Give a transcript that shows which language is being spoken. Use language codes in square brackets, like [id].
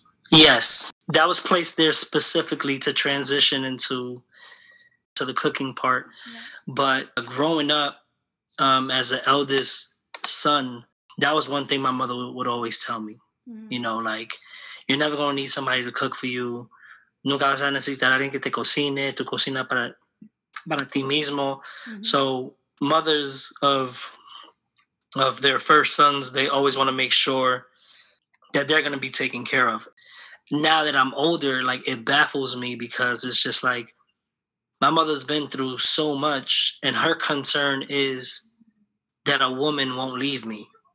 [en] Yes, that was placed there specifically to transition into the cooking part. Yeah. But growing up as the eldest son, that was one thing my mother would always tell me. Mm-hmm. You know, like, you're never going to need somebody to cook for you. [es] Nunca vas a necesitar alguien que te cocine, tu cocina para ti mismo. [en] So mothers of their first sons, they always want to make sure that they're going to be taken care of. Now that I'm older, like, it baffles me, because it's just like, my mother's been through so much, and her concern is that a woman won't leave me.